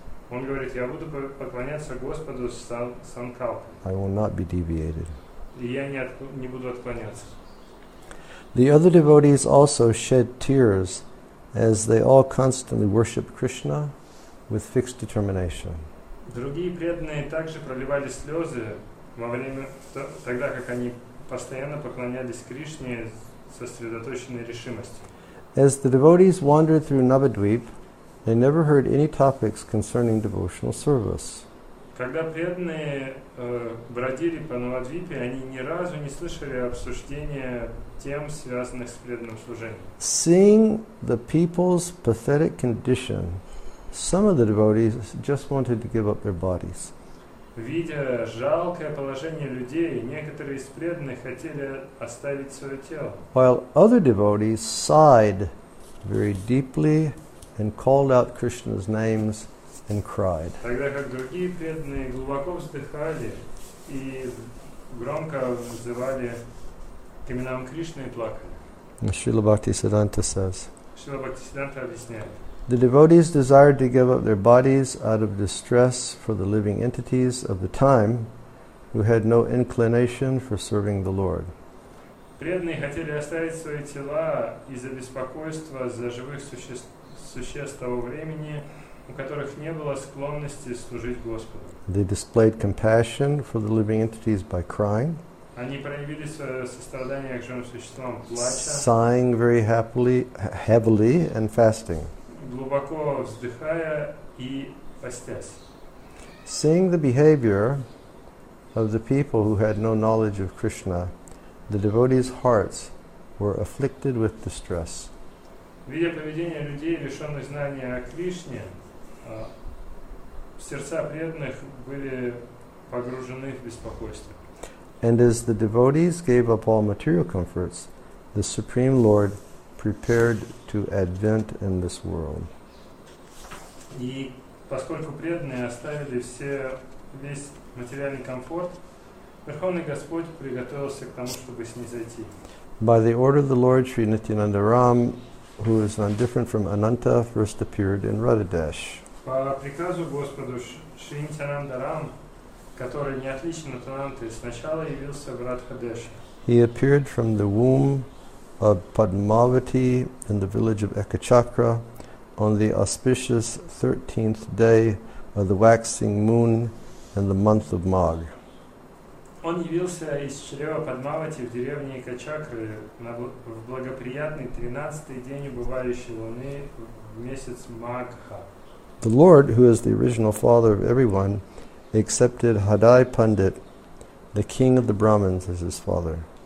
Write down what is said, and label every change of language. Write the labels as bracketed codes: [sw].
[ru] Он говорит, я буду поклоняться Господу с санкалпой. [en] I will not be deviated. [ru] И я не буду отклоняться. [en] The other devotees also shed tears as they all constantly worship Krishna with fixed determination. [ru] Другие преданные также проливали слезы во время тогда, как они постоянно поклонялись Кришне со сосредоточенной решимостью. [en] As the devotees wandered through Navadvip, they never heard any topics concerning devotional service. [ru] Когда преданные бродили по Навадвипе, они ни разу не слышали обсуждения тем, связанных с преданным служением. [en] Seeing the people's pathetic condition, some of the devotees just wanted to give up their bodies. [ru] Видя жалкое положение людей, некоторые из преданных хотели оставить свое тело. [en] While other devotees sighed very deeply and called out Krishna's names and cried. [ru] Тогда как другие преданные глубоко вздыхали и громко взывали к именам Кришны и плакали. Шрила Бхактисиддханта says, Шрила Бхактисиддханта объясняет, [en] the devotees desired to give up their bodies out of distress for the living entities of the time who had no inclination for serving the Lord. [ru] Преданные хотели оставить свои тела из-за беспокойства за живых существ того времени, у которых не было склонности служить Господу. [en] They displayed compassion for the living entities by crying. [ru] Они проявили свое сострадание к живым существам, плача. [en] Sighing very happily, heavily and fasting. [ru] Глубоко вздыхая и постясь. [en] Seeing the behavior of the people who had no knowledge of Krishna, the devotees' hearts were afflicted with distress. [ru] Видя поведение людей, лишенных знания о Кришне, сердца преданных были погружены в беспокойство. [en] And as the devotees gave up all material comforts, the Supreme Lord prepared to advent in this world. [ru] И поскольку преданные оставили весь материальный комфорт, Верховный Господь приготовился к тому, чтобы снизойти. [en] By the order of the Lord, Sri Nityananda Ram, who is not different from Ananta, first appeared in Radhadesh. [ru] По приказу Господу Шри Нитянанда Рам, который не отличен от Ананты, сначала явился в Радхадеше. [en] He appeared from the womb of Padmavati in the village of Ekachakra on the auspicious 13th day of the waxing moon in the month of Magh. [ru] Он явился из чрева Падмавати в деревне Экачакры в благоприятный 13-й день убывающей луны в месяц Магха. [en] The Lord, who is the original father of everyone, accepted Hadai Pandit, the king of the Brahmins, as his father.